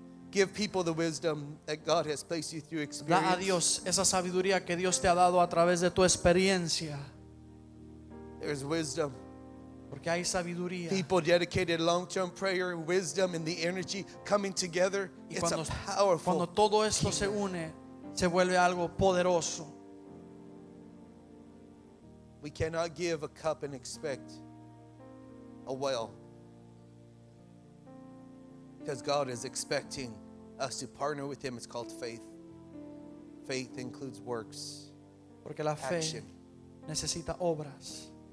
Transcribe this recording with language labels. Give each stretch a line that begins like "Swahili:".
English: Give people the wisdom that God has placed you through experience.
Spanish: Da a Dios esa sabiduría que Dios te ha dado a través de tu experiencia.
English: There is wisdom.
Spanish: Porque hay sabiduría.
English: People dedicated long-term prayer and wisdom and the energy coming together. It's a powerful.
Spanish: Cuando todo esto se une, se vuelve algo poderoso.
English: We cannot give a cup and expect a well. Because God is expecting us to partner with Him. It's called faith. Faith includes works.
Spanish: Porque la fe action. Necesita obras.